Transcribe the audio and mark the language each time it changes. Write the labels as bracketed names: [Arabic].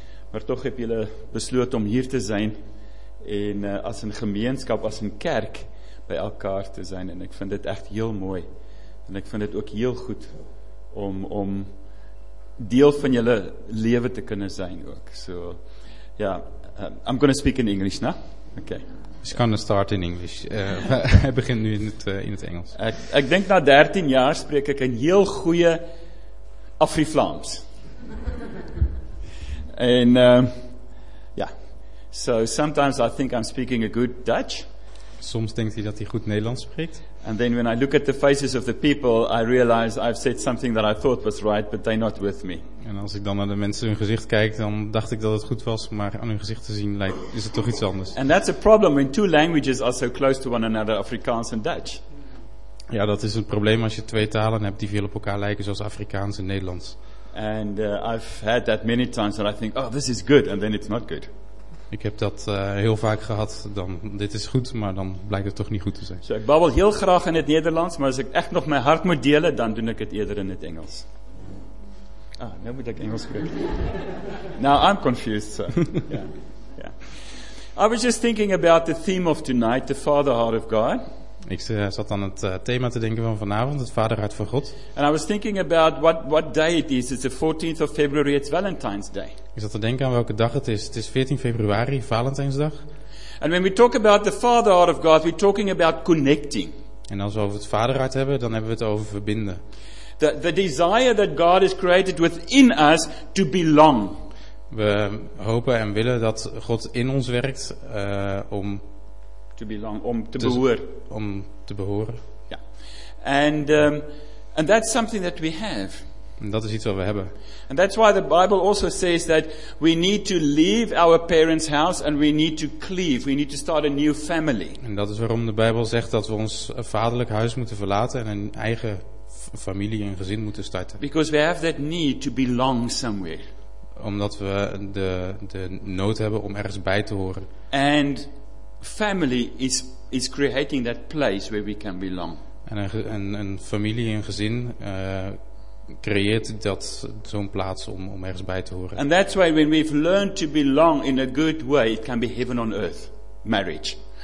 [Dutch] Maar toch heb jullie besloten om hier te zijn. En als een gemeenschap, als een kerk, bij elkaar te zijn. En ik vind dit echt heel mooi. En ik vind het ook heel goed om deel van jullie leven te kunnen zijn ook. [English] So, yeah, I'm going to speak in English now. Okay. [Dutch] Dus ik kan start in Engels. Hij begint nu in het Engels. Ik denk na 13 jaar spreek ik een heel goede Afri-Vlaams. En [English] So sometimes I think I'm speaking a good Dutch. [Dutch] Soms denkt hij dat hij goed Nederlands spreekt. [English] And then when I look at the faces of the people, I realize I've said something that I thought was right, but they're not with me. [Dutch] En als ik dan naar de mensen hun gezicht kijk, dan dacht ik dat het goed was, maar aan hun gezicht te zien lijkt, is het toch iets anders. [English] And that's a problem when two languages are so close to one another, Afrikaans and Dutch. [Dutch] Ja, dat is een probleem als je twee talen hebt die veel op elkaar lijken, zoals Afrikaans en Nederlands. [English] And I've had that many times that I think, oh, this is good, and then it's not good. [Dutch] Ik heb dat heel vaak gehad, dit is goed, maar dan blijkt het toch niet goed te zijn. So, ik babbel heel graag in het Nederlands, maar als ik echt nog mijn hart moet delen, dan doe ik het eerder in het Engels. Ah, nu moet ik Engels spreken. [English] Now I'm confused. So. Yeah. I was just thinking about the theme of tonight, the Father Heart of God. [Dutch] Ik zat aan het thema te denken van vanavond, het Vaderhart van God. [English] And I was thinking about what day it is. It's the 14th of February, it's Valentine's Day. [Dutch] Ik zat te denken aan welke dag het is. Het is 14 februari, Valentijnsdag. [English] And when we talk about the Father Heart of God, we're talking about connecting. [Dutch] En als we over het Vaderhart hebben, dan hebben we het over verbinden. [English] The desire that God has created within us to belong. [Dutch] We hopen en willen dat God in ons werkt om... [English] To belong, [Dutch] om te behoren. Om te behoren. Ja. [English] And that's something that we have. [Dutch] En dat is iets wat we hebben. [English] And that's why the Bible also says that we need to leave our parents' house and we need to cleave. We need to start a new family. [Dutch] En dat is waarom de Bijbel zegt dat we ons vaderlijk huis moeten verlaten en een eigen familie en gezin moeten starten. [English] Because we have that need to belong somewhere. [Dutch] Omdat we de nood hebben om ergens bij te horen. [English] And family is creating that place where we can belong. [Dutch] En een familie, een gezin, creëert dat zo'n plaats om ergens bij te horen. [English] And that's why when we've learned to belong in a good way, it can be heaven on earth, marriage.